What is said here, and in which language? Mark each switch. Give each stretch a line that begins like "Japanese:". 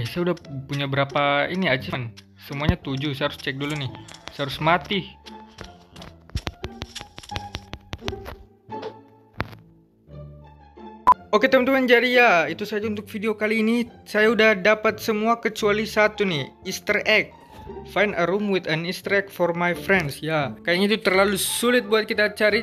Indonesian: Okay. Saya udah punya berapa ini achievement? Semuanya 7. Saya harus cek dulu nih. Saya harus mati. Oke, teman-teman, jadi ya itu saja untuk video kali ini. Saya udah dapat semua kecuali satu nih, Easter egg.
English: Find a room with an Easter egg for my friends.
Indonesian: Ya, kayaknya itu terlalu sulit buat kita cari.